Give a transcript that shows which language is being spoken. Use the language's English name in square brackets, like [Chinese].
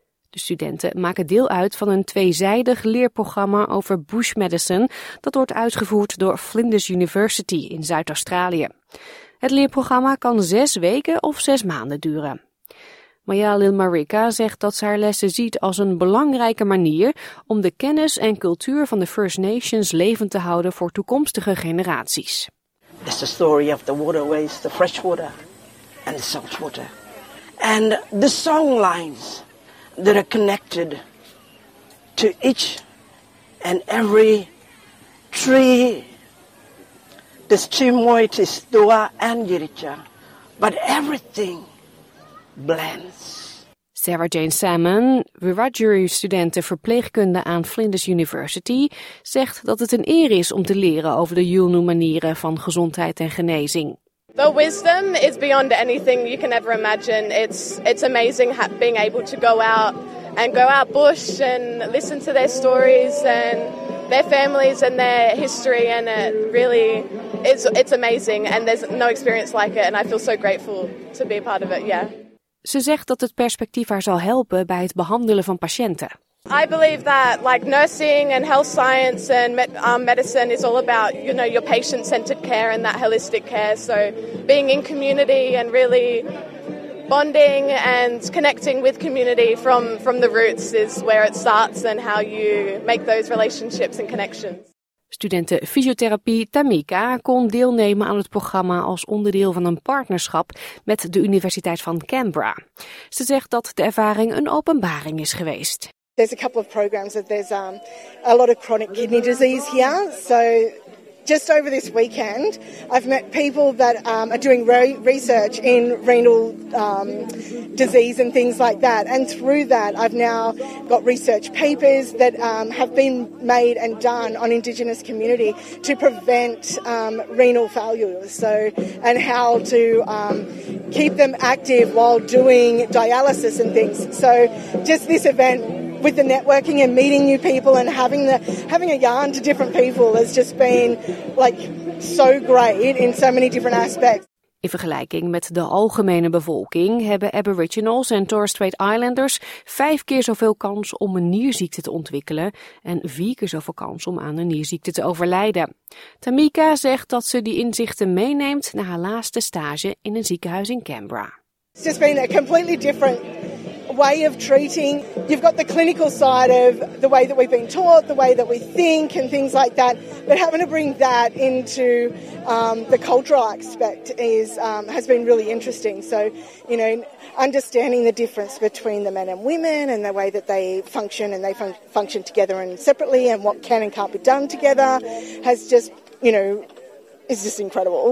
[Dutch] De studenten maken deel uit van een tweezijdig leerprogramma over bush medicine dat wordt uitgevoerd door Flinders University in Zuid-Australië. Het leerprogramma kan 6 weken of 6 maanden duren. Maya Lilmarika zegt dat ze haar lessen ziet als een belangrijke manier om de kennis en cultuur van de First Nations levend te houden voor toekomstige generaties. [English] It's the story of the waterways, the fresh water and the salt water. And the song lines that are connected to each and every tree. There's two moieties, Dua and Yiritja, but everything blends. [Dutch] Sarah Jane Salmon, Wiradjuri studenten verpleegkunde aan Flinders University, zegt dat het een eer is om te leren over de Yolngu manieren van gezondheid en genezing. [English] The wisdom is beyond anything you can ever imagine. It's amazing being able to go out bush and listen to their stories and their families and their history, and it really is, it's amazing, and there's no experience like it, and I feel so grateful to be a part of it. Yeah. [Dutch] Ze zegt dat het perspectief haar zal helpen bij het behandelen van patiënten. [English] I believe that like nursing and health science and medicine is all about, you know, your patient-centered care and that holistic care. So being in community and really bonding and connecting with community from the roots is where it starts and how you make those relationships and connections. [Dutch] Studenten fysiotherapie Tamika kon deelnemen aan het programma als onderdeel van een partnerschap met de Universiteit van Canberra. Ze zegt dat de ervaring een openbaring is geweest. [English] There's a couple of programs that there's a lot of chronic kidney disease here. So just over this weekend, I've met people that are doing research in renal disease and things like that. And through that, I've now got research papers that have been made and done on Indigenous community to prevent renal failure. So, and how to keep them active while doing dialysis and things. So just this event, with the networking and meeting new people and having a yarn to different people, has just been like so great in so many different aspects. [Dutch] In vergelijking met de algemene bevolking hebben Aboriginals en Torres Strait Islanders 5 keer zoveel kans om een nierziekte te ontwikkelen en 4 keer zoveel kans om aan een nierziekte te overlijden. Tamika zegt dat ze die inzichten meeneemt naar haar laatste stage in een ziekenhuis in Canberra. [English] It's just been a completely different way of treating. You've got the clinical side of the way that we've been taught, the way that we think and things like that, but having to bring that into the cultural aspect has been really interesting. So, you know, understanding the difference between the men and women and the way that they function and they function together and separately and what can and can't be done together has just, you know, is just incredible.